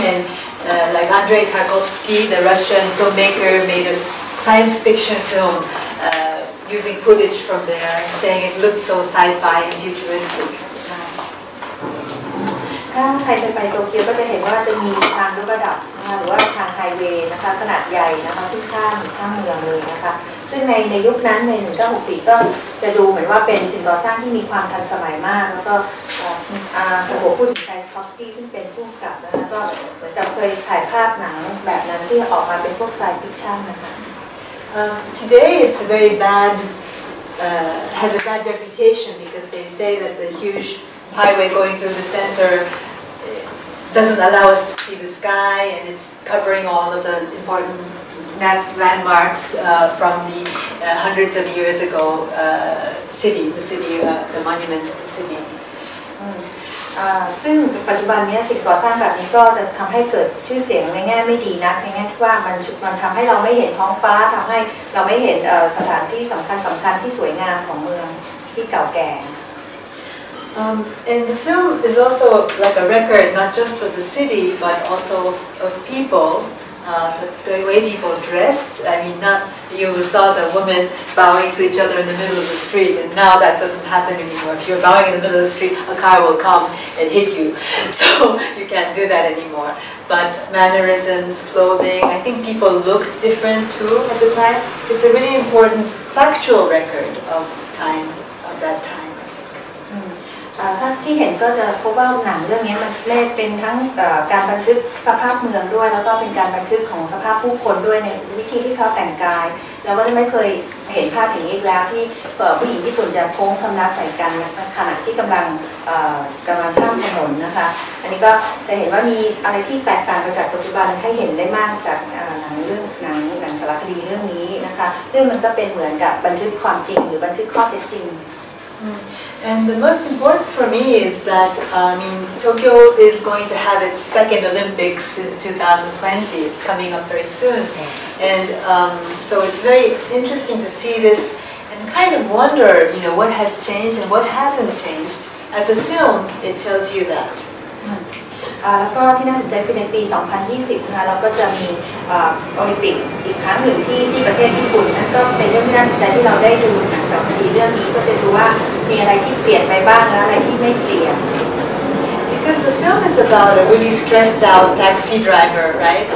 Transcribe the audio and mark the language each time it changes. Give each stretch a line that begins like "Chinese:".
English: And like Andrei Tarkovsky, the Russian filmmaker, made a science fiction film using footage from there, saying it looked so sci-fi and futuristic.
Thai: ถ้าใครเคยไปโตเกียวก็จะเห็นว่าจะมีทางรถระดับนะคะหรือว่าทางไฮเวย์นะคะขนาดใหญ่นะคะที่ข้ามเมืองเลยนะคะซึ่งในยุคนั้นใน1964ก็จะดูเหมือนว่าเป็นสิ่งก่อสร้างที่มีความทันสมัยมากแล้วก็สมบูรณ์พูดถึงไทรอฟสกี้ซึ่งเป็นผู้กำกับนะคะก็เหมือนกับเคยถ่ายภาพหนังแบบนั้นที่ออกมาเป็นพวกไซฟิคชั่นนะคะ
English: today it's a very bad has a bad reputation because they say that the hugeHighway going through the center doesn't allow us to see the sky, and it's covering all of the important landmarks from the hundreds of years ago city, the city, the monuments of the city.
Thai: ซึ่งปัจจุบันนี้สิ่งก่อสร้างแบบนี้ก็จะทำให้เกิดชื่อเสียงในแง่ไม่ดีนักในแง่ที่ว่ามันทำให้เราไม่เห็นท้องฟ้าทำให้เราไม่เห็นสถานที่สำคัญที่สวยงามของเมืองที่เก่าแก่
English: And the film is also like a record, not just of the city, but also of people, the way people dressed. I mean, not you saw the women bowing to each other in the middle of the street, and now that doesn't happen anymore. If you're bowing in the middle of the street, a car will come and hit you, so you can't do that anymore. But mannerisms, clothing, I think people looked different too at the time. It's a really important factual record of time, of that time.
Thai: ถ้าที่เห็นก็จะพบว่าหนังเรื่องนี้มันเป็นทั้งการบันทึกสภาพเมืองด้วยแล้วก็เป็นการบันทึกของสภาพผู้คนด้วยในวิธีที่เขาแต่งกายเราก็ไม่เคยเห็นภาพอย่างนี้แล้วที่ผู้หญิงญี่ปุ่นจะโค้งคำนับใส่กันขณะที่กำลังข้ามถนนนะคะอันนี้ก็จะเห็นว่ามีอะไรที่แตกต่างไปจากปัจจุบันให้เห็นได้มากจากหนังสารคดีเรื่องนี้นะคะซึ่งมันก็เป็นเหมือนกับบันทึกความจริงหรือบันทึกข้อเท็จจริง
English: And the most important for me is that, I mean, Tokyo is going to have its second Olympics in 2020. It's coming up very soon. And so it's very interesting to see this and kind of wonder, you know, what has changed and what hasn't changed. As a film, it tells you that.
Thai: แล้วก็ที่น่าสนใจคือในปี2020นะคะเราก็จะมีโอลิมปิกอีกครั้งหนึ่งที่ประเทศญี่ปุ่นนั่นก็เป็นเรื่องที่น่าสนใจที่เราได้ดูหนังสารคดีเรื่องนี้ก็จะดูว่ามีอะไรที่เปลี่ยนไปบ้างและอะไรที่ไม่เปลี่ยน
English: Because the film is about a really stressed out taxi driver, right?